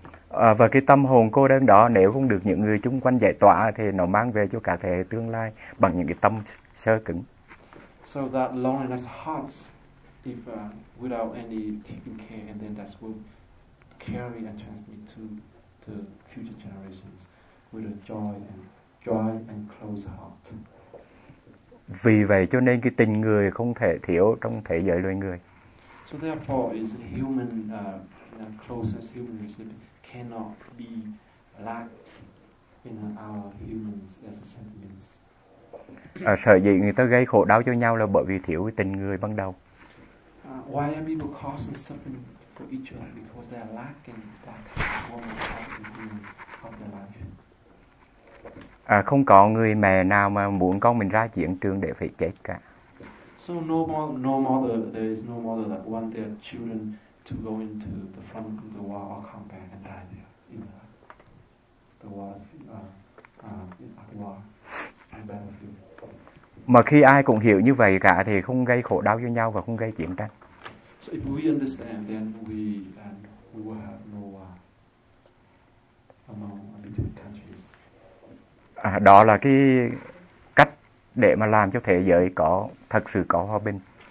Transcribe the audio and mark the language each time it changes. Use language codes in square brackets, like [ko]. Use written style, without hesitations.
[vi] Và cái tâm hồn cô đơn đó nếu không được những người chung quanh giải tỏa thì nó mang về cho cả thế hệ tương lai bằng những cái tâm sơ cứng. [en] So that loneliness hearts, if without any taking care, and then that's what carry and transmit to the future generations with a joy and close heart. [vi] Vì vậy cho nên cái tình người không thể thiếu trong thế giới loài người. [en] So therefore, is human closest human relationship cannot be lacked in our humans as a sentiments. [vi] Sở dĩ người ta gây khổ đau cho nhau là bởi vì thiếu cái tình người ban đầu. [en] Why are people causing suffering for each other? Because they are lacking that warmth of the human of their life. [vi] Không có người mẹ nào mà muốn con mình ra chiến trường để phải chết cả. [en] So no mother, there is no mother that want their children to go into the front of the war or combat and die there in the war, at war, in battlefield. [vi] Mà khi ai cũng hiểu như vậy cả thì không gây khổ đau cho nhau và không gây chiến tranh. [en] So if we understand, then we will have no war among between countries. [vi] Đó là cái để mà làm cho thế giới có thật sự có hòa bình.